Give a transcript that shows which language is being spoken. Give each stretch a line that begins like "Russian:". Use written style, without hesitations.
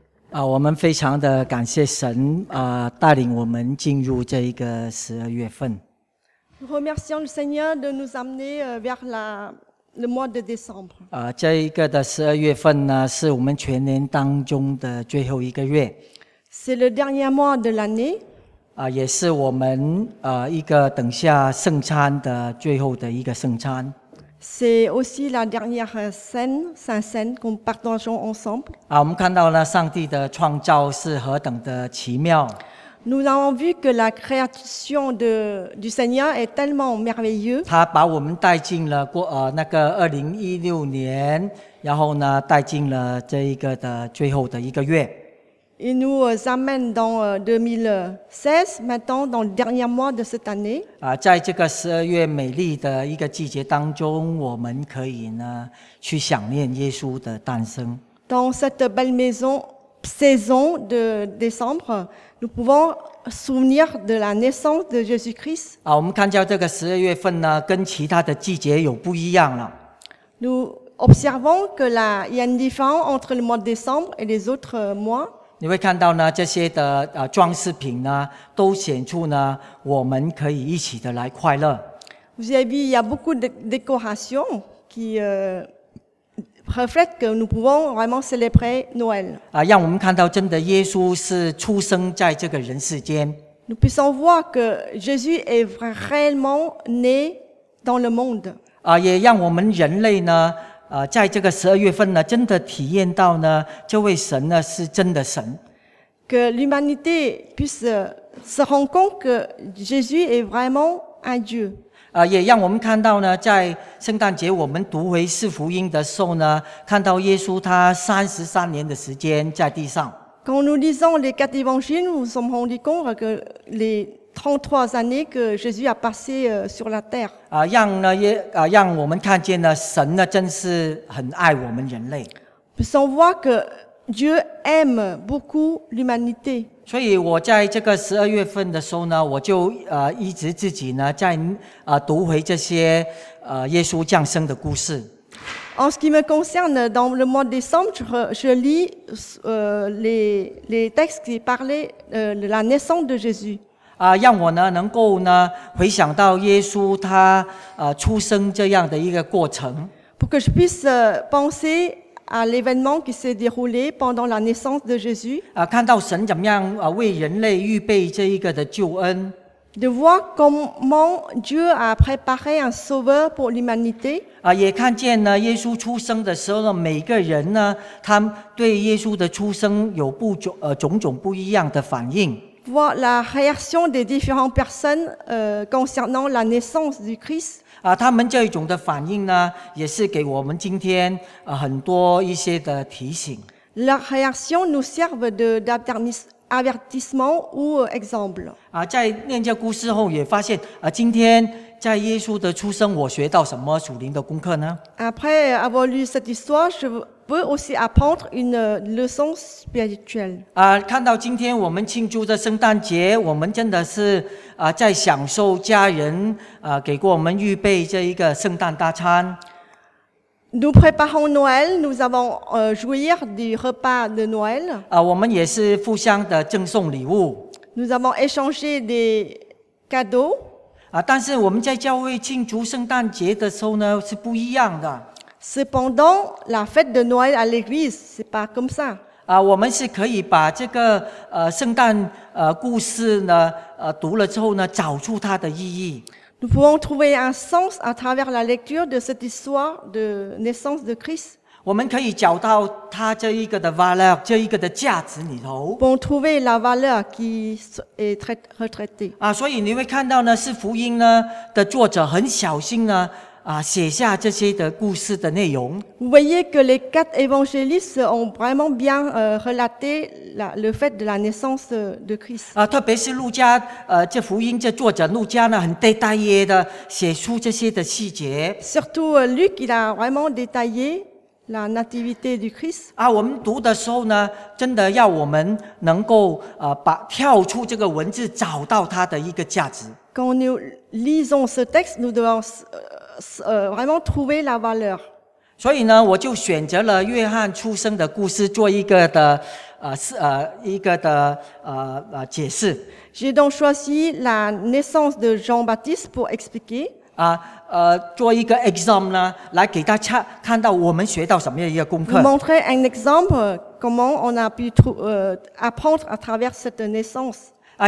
Chinese: 我们非常的感谢神带领我们进入这一个十二月份。
French: Nous remercions le Seigneur de nous amener vers le mois de décembre.
Chinese: 这一个的十二月份呢，是我们全年当中的最后一个月。
French: C'est le dernier mois de l'année.
Chinese: 也是我们一个等下圣餐的最后的一个圣餐。
French: C'est aussi la dernière scène, Sainte Cène, qu'on partageons ensemble.
Chinese: 我们看到了上帝的创造是何等的奇妙。
French: Nous avons vu que la création du Seigneur est tellement merveilleuse.
Chinese: 他把我们带进了过那个2016年，然后呢带进了这一个的最后的一个月。
French: Il nous amène dans 2016, maintenant dans le dernier mois de cette année.
Chinese: 在这个十二月美丽的一个季节当中，我们可以呢去想念耶稣的诞生。
French: Dans cette belle saison de décembre, nous pouvons souvenir de la naissance de Jésus-Christ.
Chinese: 我们看到这个十二月份呢，跟其他的季节有不一样了。
French: Nous observons que là, il y a une différence entre le mois de décembre et les autres mois.
Chinese: 你会看到呢，这些的装饰品呢，都显出呢，我们可以一起的来快乐。
French: Vous avez vu, il y a beaucoup de décorations qui reflètent que nous pouvons vraiment célébrer Noël.
Chinese: 让我们看到真的耶稣是出生在这个人世间。
French: Nous puissons voir que Jésus est réellement né dans le monde.
Chinese: 也让我们人类呢。在这个十二月份呢，真的体验到呢，这位神呢是真的神。
French: Que l'humanité puisse se rendre compte que Jésus est vraiment un Dieu.
Chinese: 也让我们看到呢，在圣诞节我们读回四福音的时候呢，看到耶稣他33年的时间在地上。
French: Quand nous lisons les quatre évangiles, nous sommes rendus compte que les 33 années que Jésus a passé sur la terre.
Chinese: 让我们看见呢，神呢真是很爱我们人类。
French: Nous on voit que Dieu aime beaucoup l'humanité.
Chinese: 所以我在这个十二月份的时候呢，我就一直自己呢在读回这些耶稣降生的故事。
French: En ce qui me concerne, dans le mois de décembre, je lis les textes qui parlaient de la naissance de Jésus.
Chinese: 让我呢能够呢回想到耶稣他出生这样的一个过程。
French: Pour que je puisse penser à l'événement qui s'est déroulé pendant la naissance de Jésus.
Chinese: 看到神怎么样为人类预备这一个的救恩。
French: De voir comment Dieu a préparé un sauveur pour l'humanité.
Chinese: 也看见呢耶稣出生的时候呢，每个人呢，他对耶稣的出生有种种不一样的反应。
French: Voir la réaction des différentes personnes concernant la naissance du Christ.
Chinese: 他们这种的反应呢，也是给我们今天很多一些的提醒。
French: La réaction nous serve d'avertissement ou exemple.
Chinese: 在念这故事后，也发现今天在耶稣的出生，我学到什么属灵的功课呢
French: ？Après avoir lu cette histoire, je peut aussi apprendre une leçon spirituelle.
Chinese: 看到今天我们庆祝这圣诞节，我们真的是在享受家人给过我们预备这一个圣诞大餐。
French: Nous préparons Noël, nous avons jouir du repas de Noël.
Chinese: 我们也是互相的赠送礼物。
French: Nous avons échangé des cadeaux.
Chinese: 但是我们在教会庆祝圣诞节的时候呢，是不一样的。
French: Cependant, la fête de Noël à l'église, c'est pas comme ça.
Chinese: 我们是可以把这个圣诞故事呢读了之后呢，找出它的意义。
French: Nous pouvons trouver un sens à travers la lecture de cette histoire de naissance de Christ.
Chinese: 我们可以找到它这一个的 valeur, 这一个的价值里头。
French: Nous pouvons trouver la valeur qui est retraitée.
Chinese: 所以你会看到呢，是福音呢的作者很小心呢。写下这些的故事的内容。
French: Vous voyez que les quatre évangélistes ont vraiment bien relaté le fait de la naissance de Christ.
Chinese: 特别是路加，这福音这作者路加呢，很détaillé的写出这些的细节。
French: Surtout Luc, il a vraiment détaillé la nativité du Christ.
Chinese: 我们读的时候呢，真的要我们能够跳出这个文字，找到它的一个价值。
French: Quand nous lisons ce texte, nous devons vraiment trouver la valeur.
Chinese: 所以呢，我就选择了约翰出生的故事做一个的一个的解释。
French: J'ai donc choisi la naissance de Jean-Baptiste pour expliquer.
Chinese: 做一个 exemple 呢，来给大家看到我们学到什么样一个功课。
French: Montrer un exemple comment on a pu apprendre à travers cette naissance.